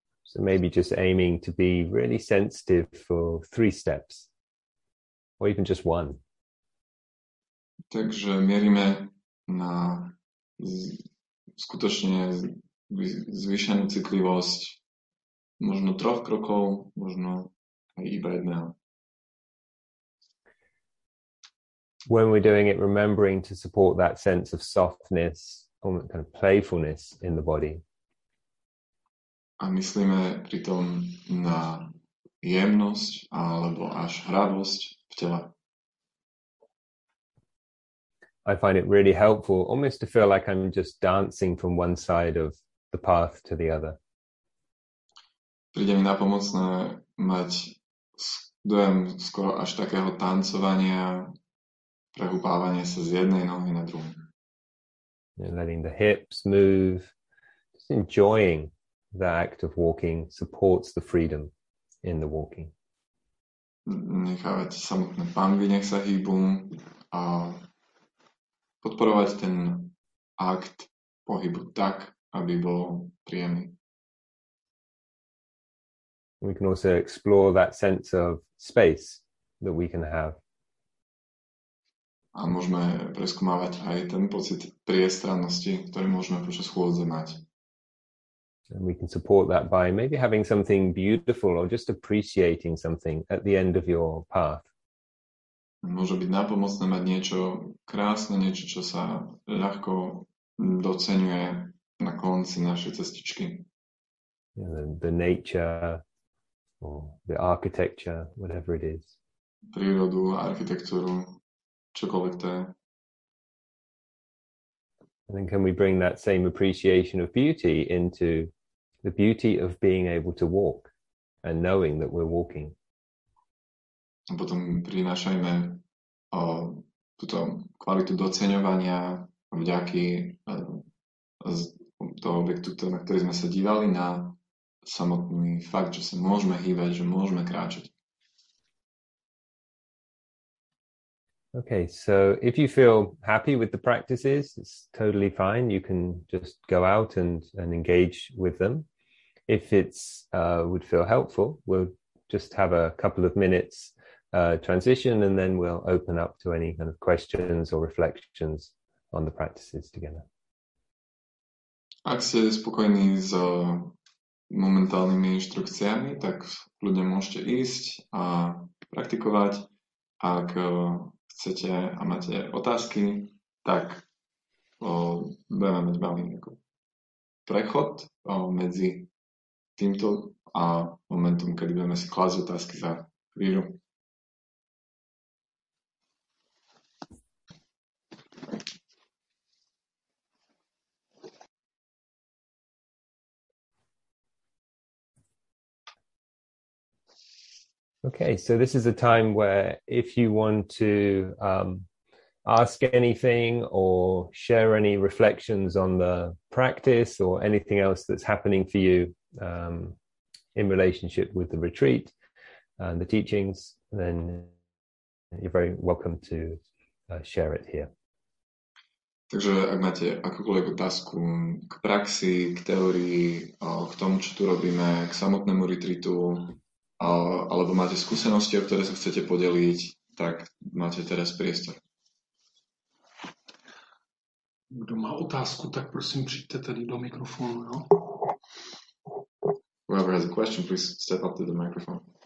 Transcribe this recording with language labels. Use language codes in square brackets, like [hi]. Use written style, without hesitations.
[en] So maybe just aiming to be really sensitive for 3 steps, or even just 1. [sk] Takže mierime na skutočne zvýšenú citlivosť možno 3 krokov, možno aj iba jedného. [en] When we're doing it, remembering to support that sense of softness, kind of playfulness in the body. [sk] A myslíme pritom na jemnosť alebo až hravosť v tele. [en] I find it really helpful, almost to feel like I'm just dancing from one side of the path to the other. [sk] Príde mi napomocné mať dojem skoro až takého tancovania, prehúpávania sa z jednej nohy na druhú. [en] And letting the hips move, just enjoying the act of walking supports the freedom in the walking. [sk] Nechávať samotné pánvy, nech sa hýbu a podporovať ten akt pohybu tak, aby bol príjemný. [en] We can also explore that sense of space that we can have. [sk] A môžeme preskúmavať aj ten pocit priestrannosti, ktorý môžeme počas chôdze mať. [en] And we can support that by maybe having something beautiful or just appreciating something at the end of your path. [sk] Môže byť napomocné mať niečo krásne, niečo, čo sa ľahko doceňuje na konci našej cestičky. [en] Yeah, the nature, or the architecture, whatever it is. [sk] Prírodu, architektúru, čokoľvek to je. [en] And then can we bring that same appreciation of beauty into the beauty of being able to walk and knowing that we're walking? [sk] A potom prinášajme túto kvalitu doceňovania vďaky toho objektu, na ktorý sme sa dívali, na samotný fakt, že sa môžeme hýbať, že môžeme kráčať. [en] Okay, so if you feel happy with the practices, it's totally fine. You can just go out and engage with them. if it's would feel helpful, we'll just have a couple of minutes transition, and then we'll open up to any kind of questions or reflections on the practices together. [sk] Ak ste spokojní s momentálnymi inštrukciami, tak ľudia môžete ísť a praktikovať. Ak chcete a máte otázky, tak budeme mať malý prechod medzi týmto a momentom, kedy budeme si klásť otázky za chvíľu. [en] Okay, so this is a time where if you want to ask anything or share any reflections on the practice or anything else that's happening for you in relationship with the retreat and the teachings, then you're very welcome to share it here. [sk] Takže ak máte akúkoľvek otázku k praxi, k teórii, k tomu, čo tu robíme, k samotnému retreatu, alebo máte skúsenosti, o ktoré sa chcete podeliť, tak máte teraz priestor. Kto má otázku, tak prosím príďte tady do mikrofónu, no. [en] Whoever has a question, please step up to the microphone.